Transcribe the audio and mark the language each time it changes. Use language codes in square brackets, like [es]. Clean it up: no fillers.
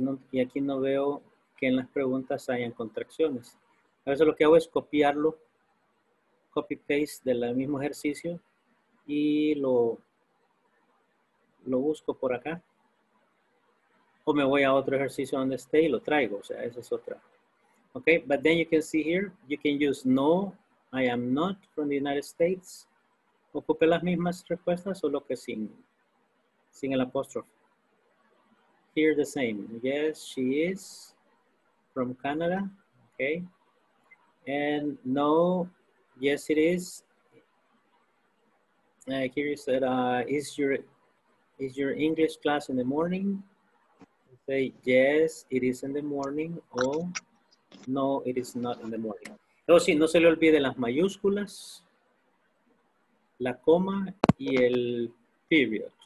[es] Y aquí no veo que en las preguntas hayan contracciones. A veces lo que hago es copiarlo, copy paste del mismo ejercicio y lo busco por acá. O me voy a otro ejercicio donde esté y lo traigo. O sea, esa es otra. [en] Okay, but then you can see here, you can use no, I am not from the United States. [es] Ocupe las mismas respuestas, solo que sin el apóstrofe. [en] Here the same. Yes, she is from Canada. Okay. And no, yes, it is. Here you said, is your English class in the morning? You say, yes, it is in the morning. Oh, no, it is not in the morning. [es] Oh, sí, no se le olvide las mayúsculas, la coma y el period.